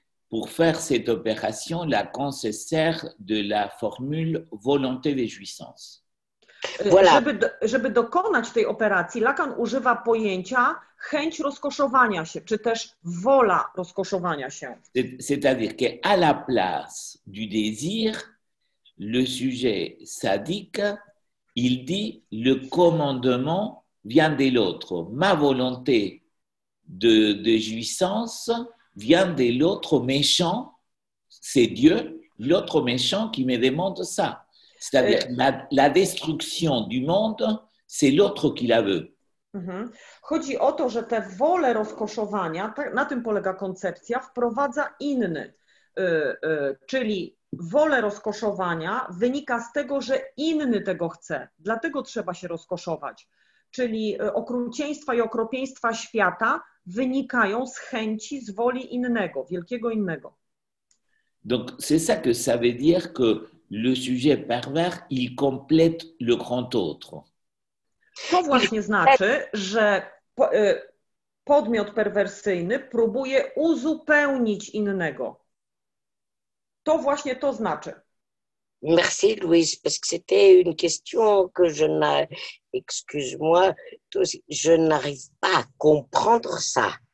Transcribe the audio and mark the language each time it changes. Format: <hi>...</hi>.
<fr>Pour faire cette opération, Lacan se sert de la formule volonté de jouissance. Voilà.</fr> <pl>Żeby dokonać tej operacji, Lacan używa pojęcia chęć rozkoszowania się, czy też wola rozkoszowania się.</pl> <fr>C'est-à-dire que à la place du désir, le sujet sadique, il dit le commandement vient de l'autre. Ma volonté de jouissance vient de l'autre méchant, c'est Dieu, l'autre méchant qui me demande ça. C'est-à-dire la destruction du monde, c'est l'autre qui la veut. Mm-hmm.</fr> <pl>Chodzi o to, że tę wolę rozkoszowania, na tym polega koncepcja, wprowadza inny, czyli wolę rozkoszowania wynika z tego, że inny tego chce, dlatego trzeba się rozkoszować, czyli okrucieństwa i okropieństwa świata wynikają z chęci, z woli innego, wielkiego innego.</pl> <fr>Donc c'est ça que ça veut dire que le sujet pervers, il complète le grand autre.</fr> <pl>To właśnie znaczy, że podmiot perwersyjny próbuje uzupełnić innego. To właśnie to znaczy.</pl> <fr>Merci, Louise, parce que c'était une question que je n'ai, excuse-moi, je n'arrive pas à comprendre ça.</fr>